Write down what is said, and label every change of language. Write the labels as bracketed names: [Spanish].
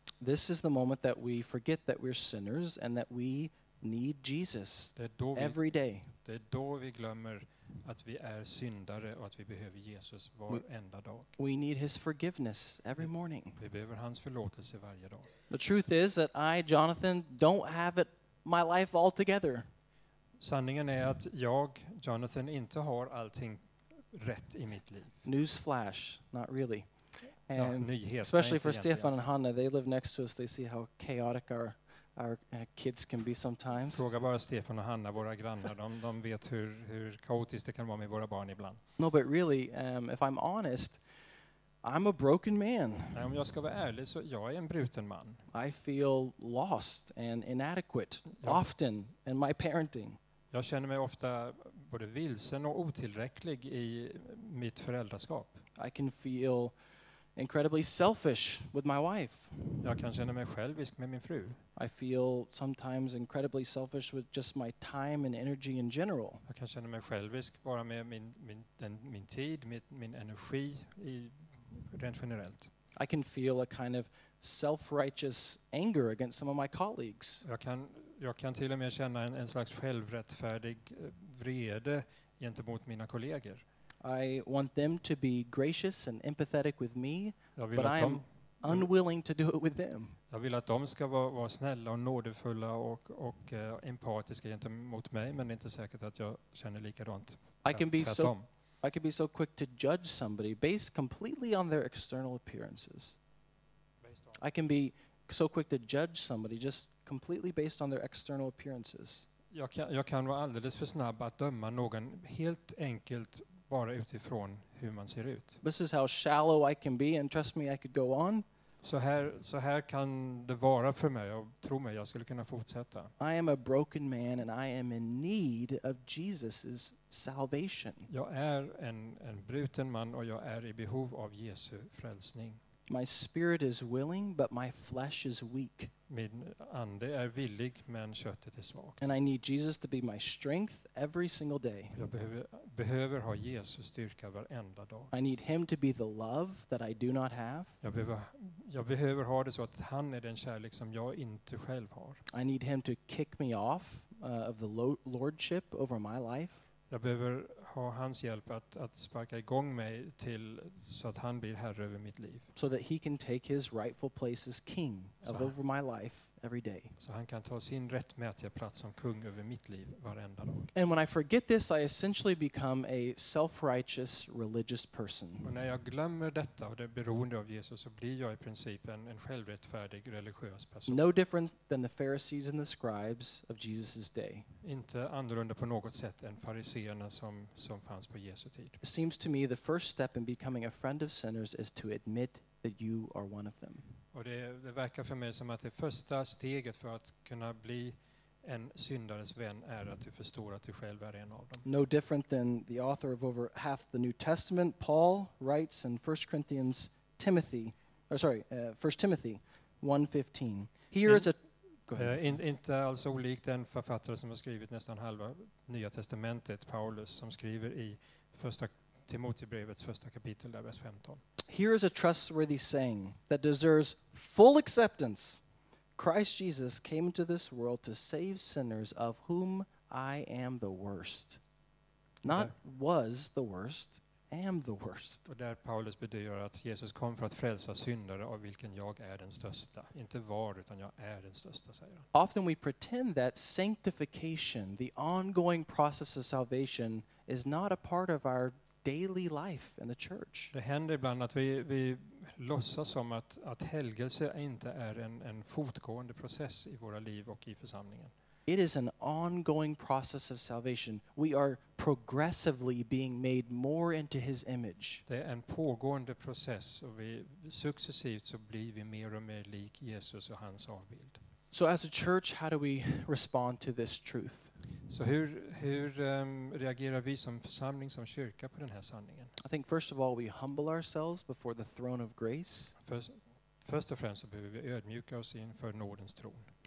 [English] This is the moment that we forget that we're sinners and that we need Jesus every day. [Swedish] Det är då vi glömmer att vi är syndare och att vi behöver Jesus varenda dag. [English] We need his forgiveness every morning. [Swedish] Vi behöver hans förlåtelse varje dag. [English] The truth is that I, Jonathan, don't have it my life all together. [Swedish] Sanningen är att jag, Jonathan, inte har allting rätt i mitt liv. [English] Newsflash, not really. [Swedish] And ja, nyhet, [English] especially for Stefan and Hanna, they live next to us, they see how chaotic our kids can be sometimes. [Swedish] Fråga bara Stefan och Hanna, våra grannar, de vet hur kaotiskt det kan vara med våra barn ibland. [English] No, but really, if I'm honest, I'm a broken man. [Swedish] Nej, om jag ska vara ärlig så jag är en bruten man. [English] I feel lost and inadequate often in my parenting. [Swedish] Jag känner mig ofta både vilsen och otillräcklig i mitt föräldraskap. [English] I can feel incredibly selfish with my wife. [Swedish] Jag kan känna mig självisk med min fru. [English] I feel sometimes incredibly selfish with just my time and energy in general. [Swedish] Jag kan känna mig självisk bara med min tid, min energi i rent generellt. [English] I can feel a kind of self-righteous anger against some of my colleagues. [Swedish] Jag kan till och med känna en slags självrättfärdig vrede gentemot mina kollegor. [English] I want them to be gracious and empathetic with me, but I'm unwilling to do it with them. [Swedish] Jag vill att de ska vara snälla och nådefulla och empatiska gentemot mig, men det är inte säkert att jag känner likadant. [English] I can be so quick to judge somebody based completely on their external appearances. I can be so quick to judge somebody just completely based on their external appearances. [Swedish] Jag kan vara alldeles för snabb att döma någon helt enkelt bara utifrån hur man ser ut. [English] This is how shallow I can be, and trust me, I could go on. [Swedish] Så här kan det vara för mig, och tro mig, jag skulle kunna fortsätta. [English] I am a broken man and I am in need of Jesus's salvation. [Swedish] Jag är en bruten man och jag är i behov av Jesu frälsning. [English] My spirit is willing but my flesh is weak. [Swedish] Min ande är villig men köttet är svagt. [English] And I need Jesus to be my strength every single day. [Swedish] Jag behöver ha Jesus styrka varenda dag. [English] I need him to be the love that I do not have. [Swedish] Jag behöver ha det så att han är den kärlek som jag inte själv har. [English] I need him to kick me off of the lordship over my life. [Swedish] Jag behöver ha hans hjälp att sparka igång mig till så att han blir herre över mitt liv. [English] So that he can take his rightful place as king over my life every day. [Swedish] Så han kan ta sin rättmätiga plats som kung över mitt liv varenda dag. [English] And when I forget this, I essentially become a self-righteous religious person. [Swedish] Och när jag glömmer detta och det beroende av Jesus, så blir jag i princip en självrättfärdig religiös person. [English] No different than the Pharisees and the scribes of Jesus's day. [Swedish] Inte annorlunda på något sätt än fariseerna som fanns på Jesu tid. [English] It seems to me the first step in becoming a friend of sinners is to admit that you are one of them. [Swedish] Och det verkar för mig som att det första steget för att kunna bli en syndares vän är att du förstår att du själv är en av dem. [English] No different than the author of over half the New Testament, Paul, writes in 1 Timothy 1:15. [Swedish] Inte alls olikt den författare som har skrivit nästan halva Nya Testamentet, Paulus, som skriver i första Timoteusbrevets första kapitel där, vers 15. [English] Here is a trustworthy saying that deserves full acceptance. Christ Jesus came into this world to save sinners, of whom I am the worst. Not was the worst, am the worst. [Swedish] Och där Paulus bedyrar att Jesus kom för att frälsa syndare, av vilken jag är den största. Inte var, utan jag är den största, säger han. [English] Often we pretend that sanctification, the ongoing process of salvation, is not a part of our daily life in the church. [Swedish] Det händer ibland att vi låtsas som att helgelse inte är en fortgående process i våra liv och i församlingen. [English] It is an ongoing process of salvation. We are progressively being made more into his image. [Swedish] Det är en pågående process, och vi successivt så blir vi mer och mer lik Jesus och hans avbild. [English] So as a church, how do we respond to this truth? [Swedish] Så hur reagerar vi som församling, som kyrka, på den här sanningen? [English] I think first of all we humble ourselves before the throne of grace. [Swedish] Först och främst så behöver vi ödmjuka oss inför nådens tron.